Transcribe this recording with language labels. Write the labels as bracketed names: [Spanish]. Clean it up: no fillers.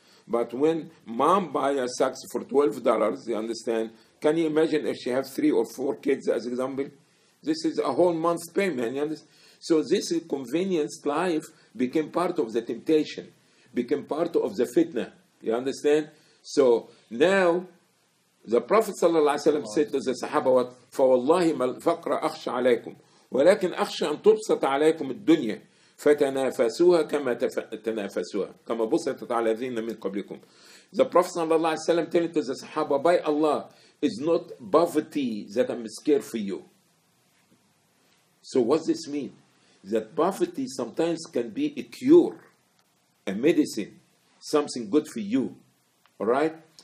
[English] But when mom buys a socks for $12, you understand, can you imagine if she has 3 or 4 kids, as example? This is a whole month's payment, you understand? So this convenience life became part of the temptation, became part of the fitna, you understand? So now [Arabic] The Prophet صلى الله عليه وسلم [English] said to the Sahaba, [Arabic] فوالله ما الفقر أخشى عليكم ولكن أخشى أن تبسط عليكم الدنيا فتنافسوها كما تنافسوها كما بسطت على الذين من قبلكم. [English] The Prophet [Arabic] صلى الله عليه وسلم [English] telling to the Sahaba, by Allah, it's not poverty that I'm scared for you. So what does this mean? That poverty sometimes can be a cure, a medicine, something good for you. All right?